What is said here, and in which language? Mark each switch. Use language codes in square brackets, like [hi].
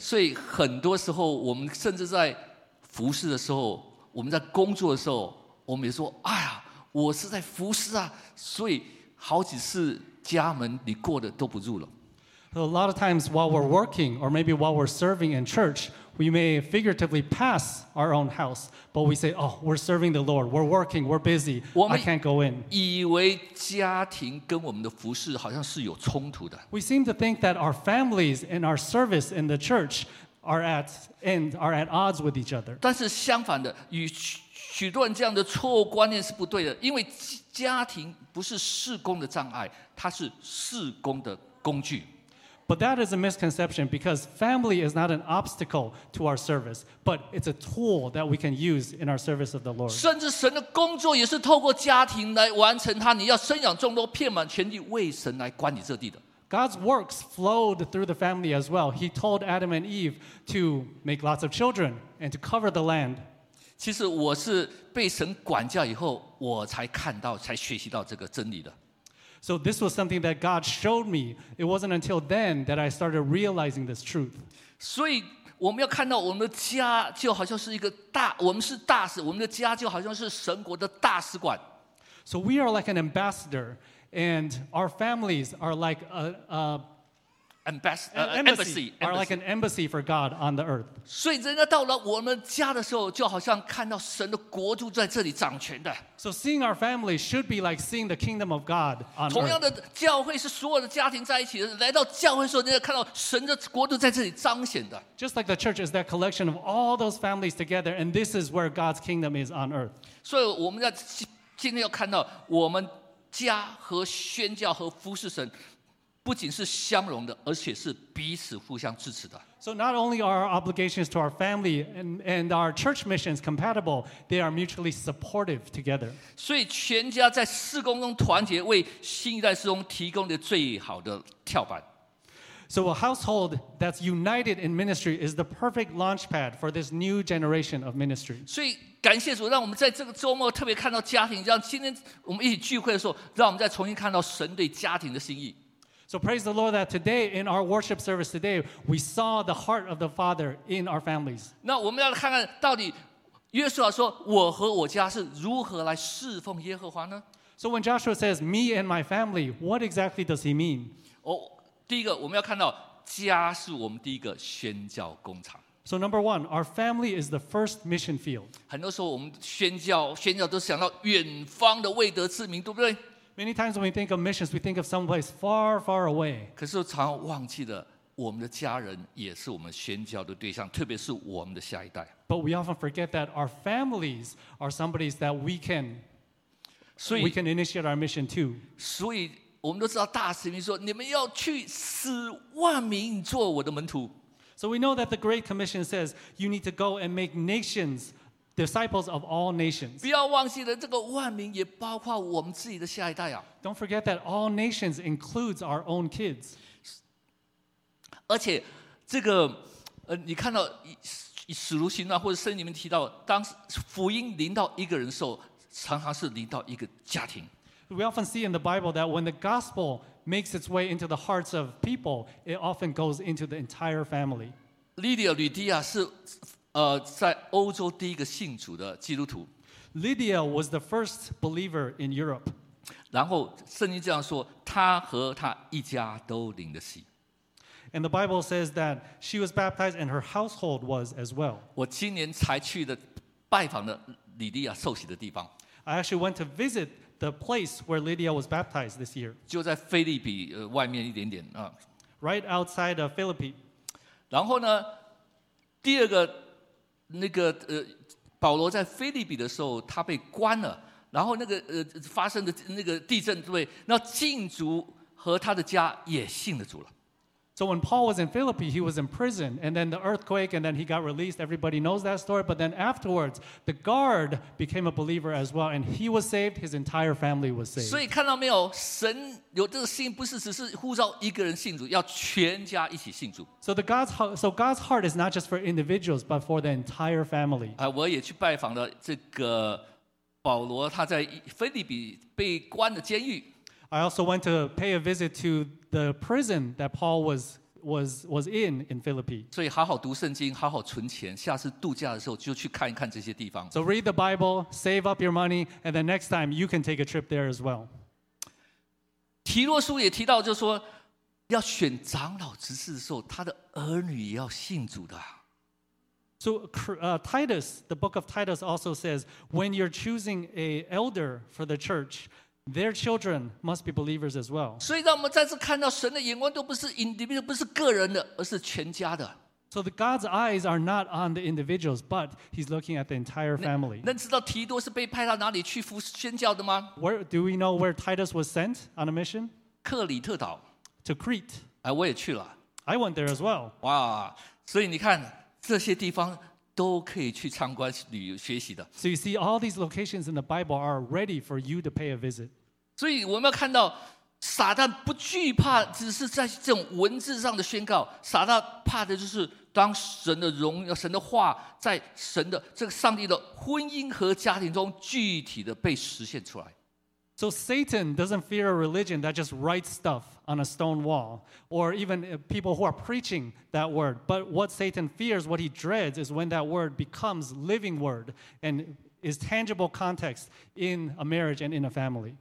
[zh] 所以很多时候我们甚至在服侍的时候，我们在工作的时候，我们也说：“哎呀，我是在服侍啊！” 所以好几次家门你过的都不入了。 [en] A lot of times while we're working, or maybe while we're serving in church, we may figuratively pass our own house, but we say, "Oh, we're serving the Lord. We're working. We're busy. I can't go in." [zh] 以为家庭跟我们的服侍好像是有冲突的。 [en] We seem to think that our families and our service in the church. Are at odds with each other. [zh] 但是相反的，与许多人这样的错误观念是不对的，因为家庭不是事工的障碍，它是事工的工具。 [en] But that is a misconception because family is not an obstacle to our service, but it's a tool that we can use in our service of the Lord. [zh] 甚至神的工作也是透过家庭来完成它。你要生养众多，遍满全地，为神来管理这地的。 [en] God's works flowed through the family as well. He told Adam and Eve to make lots of children and to cover the land. [zh] 其实我是被神管教以后，我才看到，才学习到这个真理的。 [en] So this was something that God showed me. It wasn't until then that I started realizing this truth. [zh] 所以我们要看到我们的家就好像是一个大，我们是大使，我们的家就好像是神国的大使馆。 [en] So we are like an ambassador. And our families are like an embassy. Are like an embassy for God on the earth. [zh] 所以人家到了我们家的时候，就好像看到神的国度在这里掌权的。 [en] So seeing our family should be like seeing the kingdom of God on earth. [zh] 同样的，教会是所有的家庭在一起的。来到教会的时候，人家看到神的国度在这里彰显的。 [en] Just like the church is that collection of all those families together, and this is where God's kingdom is on earth. [zh] 所以我们要今天要看到我们。家和宣教和服侍神不仅是相容的，而且是彼此互相支持的。 [en] So not only are our obligations to our family and our church missions compatible, they are mutually supportive together. [zh] 所以全家在事工中团结，为新一代事工提供的最好的跳板。 [en] So a household that's united in ministry is the perfect launch pad for this new generation of ministry. [zh] 所以感谢主，让我们在这个周末特别看到家庭，让今天我们一起聚会的时候，让我们再重新看到神对家庭的心意。 [en] So praise the Lord that today in our worship service today, we saw the heart of the Father in our families. [zh] 那我们要看看到底约书亚说我和我家是如何来侍奉耶和华呢？ [en] So when Joshua says me and my family, what exactly does he mean? [zh] 第一个，我们要看到家是我们第一个宣教工厂。 [en] So number one, our family is the first mission field. [zh] 很多时候我们宣教都是想到远方的未得之民，对不对 [en] ？Many times when we think of missions, we think of someplace far, far away. [zh] 可是常忘记了我们的家人也是我们宣教的对象，特别是我们的下一代。 [en] But we often forget that our families are somebody's that we can initiate our mission to. [zh] 所以我们都知道大使命说你们要去使万民做我的门徒。 [en] So we know that the Great Commission says you need to go and make nations disciples of all nations. [zh] 不要忘记了这个万民也包括我们自己的下一代啊。 [en] Don't forget that all nations includes our own kids. [zh] 而且这个你看到使徒行传或者圣经里面提到当福音临到一个人的时候常常是临到一个家庭。 [en] We often see in the Bible that when the gospel makes its way into the hearts of people, it often goes into the entire family. [zh] Lydia, 吕迪亚是在欧洲第一个信主的基督徒。 [en] Lydia was the first believer in Europe. [zh] 然后圣经这样说，她和她一家都领了洗。 [en] And the Bible says that she was baptized and her household was as well. [zh] 我今年才去的拜访了吕迪亚受洗的地方。 [en] I actually went to visit. The place where Lydia was baptized this year. [zh] 就在腓立比外面一点点啊。 [en] right outside of Philippi. [zh] 然后呢，第二个那个保罗在腓立比的时候，他被关了。然后那个发生的那个地震，对，那禁足和他的家也信了主了。 [en] So when Paul was in Philippi, he was in prison, and then the earthquake, and then he got released. Everybody knows that story. But then afterwards, the guard became a believer as well, and he was saved. His entire family was saved. [zh] 所以看到没有，神有这个心，不是只是呼召一个人信主，要全家一起信主。 [en] So God's heart is not just for individuals, but for the entire family. [zh] 我也去拜访了这个。保罗他在腓立比被关的监狱。 [en] I also went to pay a visit to the prison that Paul was in Philippi. [zh] 所以好好读圣经，好好存钱，下次度假的时候就去看一看这些地方。 [en] So read the Bible, save up your money, and the next time you can take a trip there as well. [zh] 提洛书也提到，就是说要选长老执事的时候，他的儿女也要信主的。 [en] So Titus, the book of Titus also says, when you're choosing an elder for the church, their children must be believers as well. [zh] 所以让我们再次看到神的眼光都不是 [en] individual, [zh] 不是个人的，而是全家的。 [en] So the God's eyes are not on the individuals, but he's looking at the entire family. [zh] 能知道提多是被派到哪里去服宣教的吗？ [en] Do we know where Titus was sent on a mission? [zh] 克里特岛。 [en] To Crete. [zh] 我也去了。 [en] I went there as well. [zh] 哇，所以你看这些地方都可以去参观旅游学习的。 [en] So you see, all these locations in the Bible are ready for you to pay a visit. [zh] 所以我们要看到撒旦不惧怕，只是在这种文字上的宣告。撒旦怕的就是当神的荣耀、神的话在神的这个上帝的婚姻和家庭中具体的被实现出来。 [en] So Satan doesn't fear a religion that just writes stuff on a stone wall or even people who are preaching that word. But what Satan fears, what he dreads, is when that word becomes living word and is tangible context in a marriage and in a family.